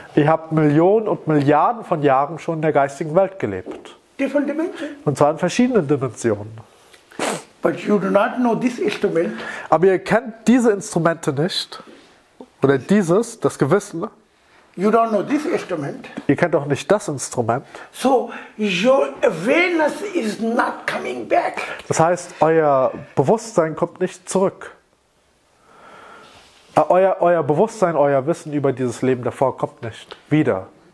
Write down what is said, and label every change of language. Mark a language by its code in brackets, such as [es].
[de] Ihr habt Millionen und Milliarden von Jahren schon in der geistigen Welt gelebt. [en] Different dimension. [de] Und zwar in verschiedenen Dimensionen. [en] But you do not know this instrument. [de] Aber ihr kennt diese Instrumente nicht. Oder dieses, das Gewissen. [en] You don't know this instrument. [de] Ihr kennt auch nicht das Instrument. [en] So your awareness is not coming back. [de] Das heißt, euer Bewusstsein kommt nicht zurück. Euer Bewusstsein, euer Wissen über dieses Leben davor kommt nicht wieder.